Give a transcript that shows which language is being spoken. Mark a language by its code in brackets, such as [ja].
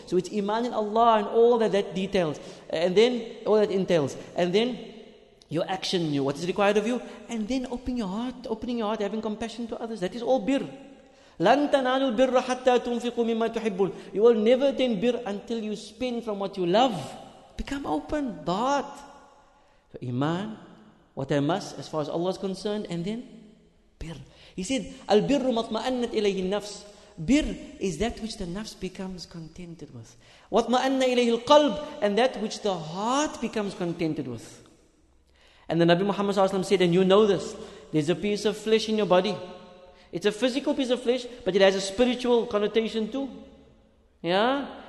[en] So it's iman in Allah and all that details, and then all that entails, and then your action, what is required of you, and then opening your heart, having compassion to others. That is all birr. [ar] لَن تَنَالُوا الْبِرَّ حَتَّى تُنْفِقُوا مِمَّا تُحِبُّونَ. [en] You will never attain birr until you spend from what you love. Become open, the heart. So iman, what I must as far as Allah is concerned, and then birr. He said, [ar] الْبِرُّ مَطْمَأَنَّتْ إِلَيْهِ النَّفْسِ. [en] Birr is that which the nafs becomes contented with. [ar] وَطْمَأَنَّ إِلَيْهِ الْقَلْبِ, [en] and that which the heart becomes contented with. And the Nabi Muhammad sallallahu alaihi wasallam said, and you know this, there's a piece of flesh in your body. It's a physical piece of flesh, but it has a spiritual connotation too. Yeah?